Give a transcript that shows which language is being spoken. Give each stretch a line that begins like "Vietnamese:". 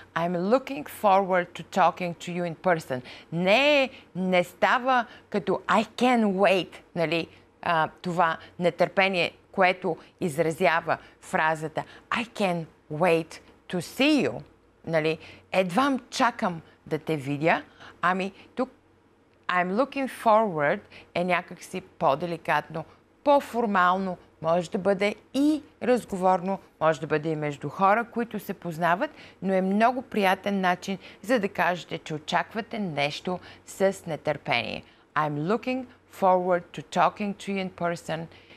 English: I'm looking forward to talking to you in person.
Bulgarian: Не става като
English: I can't wait,
Bulgarian: нали, това нетърпение, което изразява фразата
English: I can wait to see you.
Bulgarian: Нали? Едвам чакам да те видя. Ами тук
English: I'm looking forward
Bulgarian: е някакси по-деликатно, по-формално, може да бъде и разговорно, може да бъде и между хора, които се познават, но е много приятен начин, за да кажете, че очаквате нещо с нетърпение.
English: I'm looking forward to talking to you in person.